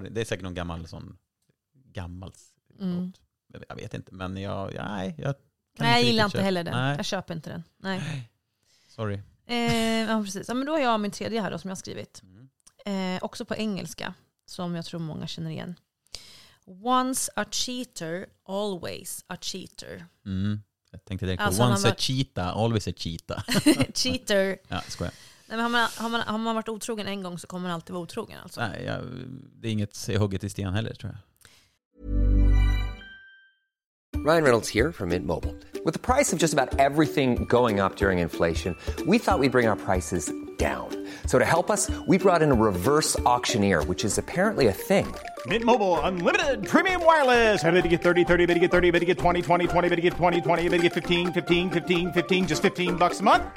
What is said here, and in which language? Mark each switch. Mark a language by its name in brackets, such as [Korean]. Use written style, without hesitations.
[Swedish] det är säkert någon gammal sån... Gammalt. Mm. Jag vet inte, men jag... Nej, jag, kan nej, inte jag gillar inte heller den. Nej. Jag köper inte den. Nej. [English] Sorry. [Swedish] Ja, precis. Ja, men då har jag min tredje här då, som jag har skrivit. Också på engelska, som jag tror många känner igen. [English] Once a cheater, always a cheater. Mm. [Swedish] Jag tänkte direkt på alltså, [English] once a cheetah, always a cheetah. Cheater. [Swedish] Ja, skojar. Nej, men har man varit otrogen en gång så kommer man alltid vara otrogen. Alltså. Nej, det är inget hugget i sten heller, tror jag. [English] Ryan Reynolds here from Mint Mobile. With the price of just about everything going up during inflation, we thought we'd bring our prices down. So to help us, we brought in a reverse auctioneer, which is apparently a thing. Mint Mobile Unlimited Premium Wireless. How to get 30, 30, how to get 30, how to get 20, 20, 20, how to get 20, 20, how to get 15, 15, 15, 15, just $15 a month?